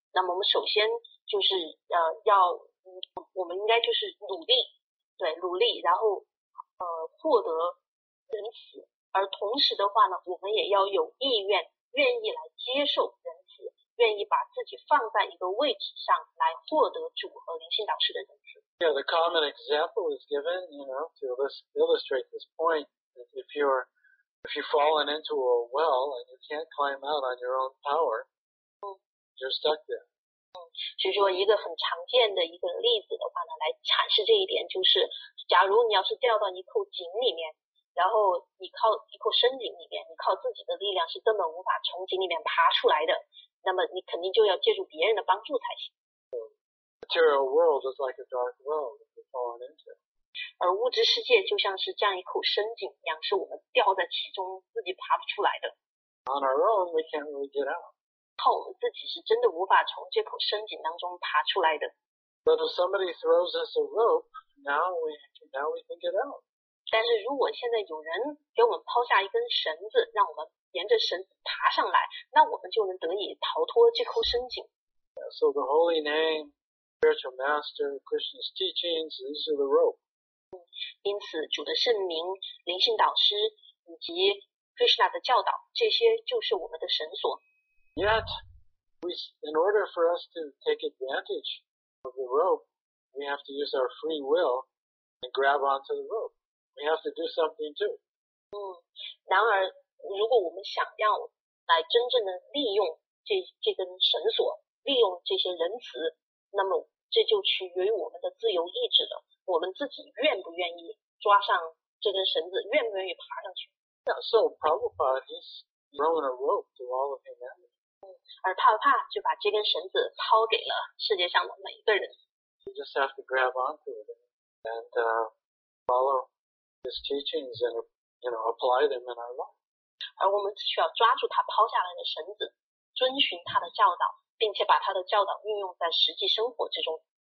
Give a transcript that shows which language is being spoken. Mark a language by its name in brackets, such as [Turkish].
[Chinese] 那么我们首先就是要，我们应该就是努力，对，努力，然后获得仁慈，而同时的话呢，我们也要有意愿，愿意来接受仁慈，愿意把自己放在一个位置上来获得主和灵性导师的仁慈。 [English] Yeah, the common example is given, you know, to illustrate this point. If you've fallen into a well and you can't climb out on your own power, you're stuck there. [Chinese] 所以说一个很常见的一个例子的话呢，来阐释这一点，就是假如你要是掉到一口井里面，然后你靠一口深井里面，你靠自己的力量是根本无法从井里面爬出来的，那么你肯定就要借助别人的帮助才行。 [English] Material world is like a dark well that you've fallen into. [Chinese] 而物质世界就像是这样一口深井一样，是我们掉在其中自己爬不出来的。 [English] On our own, we can't really get out. [Chinese] 靠我们自己是真的无法从这口深井当中爬出来的。 [English] But if somebody throws us a rope, now we can get out. [Chinese] 但是如果现在有人给我们抛下一根绳子，让我们沿着绳子爬上来，那我们就能得以逃脱这口深井。 [English] Yeah, so the holy name, spiritual master, Krishna's teachings, these are the rope. [Chinese] 因此主的圣名、灵性导师以及 Krishna 的教导，这些就是我们的绳索。 [English] Yet, in order for us to take advantage of the rope, we have to use our free will and grab onto the rope. We have to do something too. [Chinese] 然而如果我们想要来真正的利用 这根绳索，利用这些仁慈，那么这就取决于我们的自由意志了。我们自己愿不愿意抓上这根绳子，愿不愿意爬上去。 [English] Yeah, so Prabhupada, he's throwing a rope to all of humanity. [Chinese] 而帕帕就把这根绳子抛给了世界上的每一个人。 [English] You just have to grab onto it and follow his teachings and, you know, apply them in our life. [Chinese] 而我们只需要抓住他抛下来的绳子，遵循他的教导，并且把他的教导运用在实际生活之中。